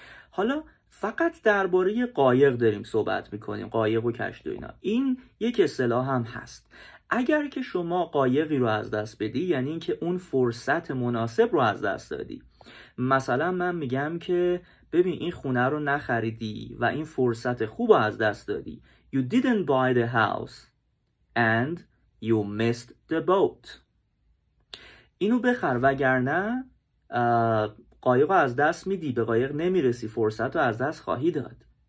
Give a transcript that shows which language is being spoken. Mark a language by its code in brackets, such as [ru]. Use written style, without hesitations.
[fa] حالا فقط درباره قایق داریم صحبت میکنیم، قایق و کشتی و اینا. این یک اصطلاح هم هست. اگر که شما قایقی رو از دست بدی، یعنی این که اون فرصت مناسب رو از دست دادی. مثلا من میگم که ببین این خونه رو نخریدی و این فرصت خوب رو از دست دادی. [en] You didn't buy the house and you missed the boat. [fa] اینو بخر وگرنه قایق رو از دست میدی، به قایق نمیرسی، فرصت رو از دست خواهی داد.